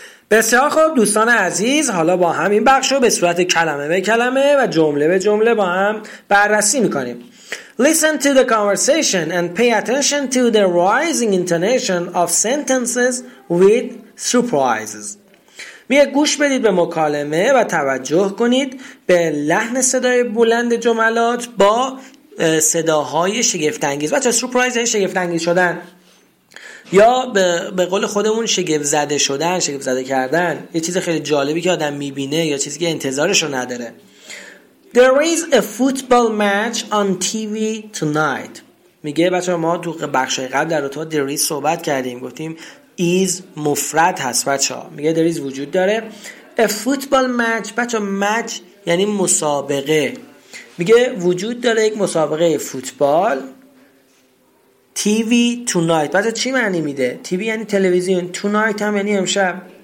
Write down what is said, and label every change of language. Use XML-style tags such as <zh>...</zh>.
<fa>بسیار خوب دوستان عزیز، حالا با همین بخش رو به صورت کلمه به کلمه و جمله به جمله با هم بررسی میکنیم.</fa> <en>Listen to the conversation and pay attention to the rising intonation of sentences with surprises.</en> <fa>میگه گوش بدید به مکالمه و توجه کنید به لحن صدای بلند جملات با صداهای شگفت‌انگیز. بچه‌ها سورپرایز یعنی شگفت‌انگیز شدن، یا به قول خودمون شگفت زده شدن، شگفت زده کردن، یه چیز خیلی جالبی که آدم میبینه یا چیزی که انتظارش رو نداره.</fa> <en>There is a football match on TV tonight.</en> <fa>میگه بچه ما تو بخشای قبل در رتبه</fa> <en>there is</en> <fa>صحبت کردیم، گفتیم is مفرد هست بچه ها. میگه</fa> <en>there is</en> <fa>وجود داره.</fa> <en>A football match،</en> <fa>بچه ها match یعنی مسابقه. میگه وجود داره یک مسابقه فوتبال.</fa> <en>TV tonight</en> <fa>بچه چی معنی میده؟ TV یعنی تلویزیون، tonight هم یعنی امشب.</fa>